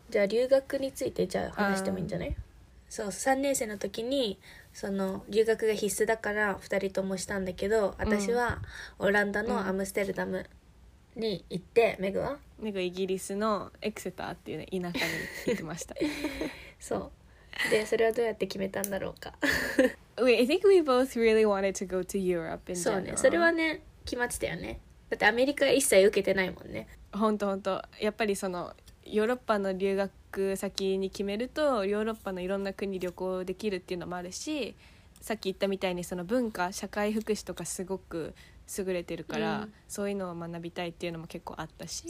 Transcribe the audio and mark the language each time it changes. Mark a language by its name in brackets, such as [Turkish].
[Japanese] じゃあ留学についてじゃあ話してもいいんじゃない？そう、3年生の時にその留学が必須だから2人ともしたんだけど、私はオランダのアムステルダムに行って、メグ、うん、はメグイギリスのエクセターっていう、ね、田舎に行ってましたそう。でそれはどうやって決めたんだろうか [English] Wait, I think we both really wanted to go to Europe in general. [Japanese] そうね、それはね決まってたよね。だってアメリカ一切受けてないもんね。ほんとほんと、やっぱりそのヨーロッパの留学先に決めるとヨーロッパのいろんな国旅行できるっていうのもあるし、さっき言ったみたいにその文化社会福祉とかすごく優れてるから、うん、そういうのを学びたいっていうのも結構あったし、